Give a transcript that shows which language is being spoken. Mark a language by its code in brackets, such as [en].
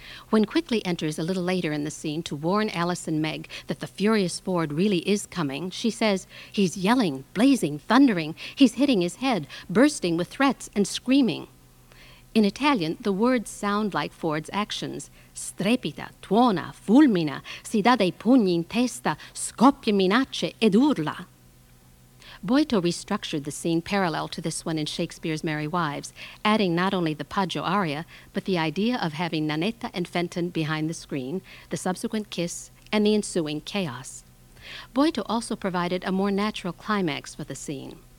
[en] When Quickly enters a little later in the scene to warn Alice and Meg that the furious Ford really is coming, she says, He's yelling, blazing, thundering. He's hitting his head, bursting with threats and screaming. In Italian, the words sound like Ford's actions. [it] Strepita, tuona, fulmina, si dà dei pugni in testa, scoppia minacce ed urla. [en] Boito restructured the scene parallel to this one in Shakespeare's Merry Wives, adding not only the Poggio aria, but the idea of having Nannetta and Fenton behind the screen, the subsequent kiss, and the ensuing chaos. Boito also provided a more natural climax for the scene.